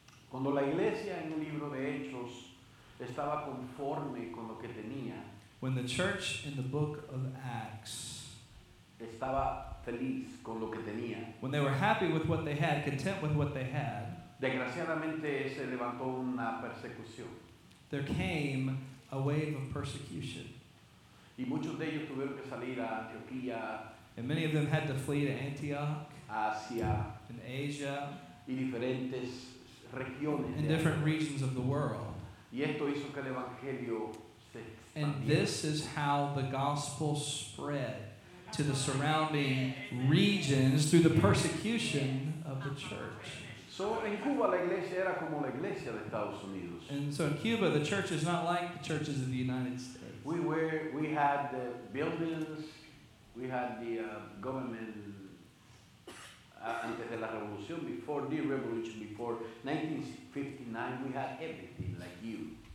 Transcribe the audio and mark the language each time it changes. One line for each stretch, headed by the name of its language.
Spanish: Cuando la iglesia en el libro de Hechos estaba conforme con lo que tenía,
English: when the church in the book of Acts
Spanish: estaba feliz con lo que tenía,
English: when they were happy with what they had, content with what they had,
Spanish: desgraciadamente se levantó una persecución.
English: There came a wave of persecution.
Spanish: Y muchos de ellos tuvieron que salir a Antioquía.
English: And many of them had to flee to Antioch.
Spanish: Asia,
English: in Asia,
Spanish: y diferentes regiones,
English: in different regions of the world.
Spanish: Y esto hizo que el evangelio se expandiera.
English: And this is how the gospel spread to the surrounding regions through the persecution of the church. So in Cuba,
Spanish: la iglesia era como la iglesia de Estados Unidos.
English: And so in Cuba, the church is not like the churches of the United States. We had the buildings, we had the government.
Spanish: Antes de la revolución,
English: before the revolution, before 1959, we had everything like you.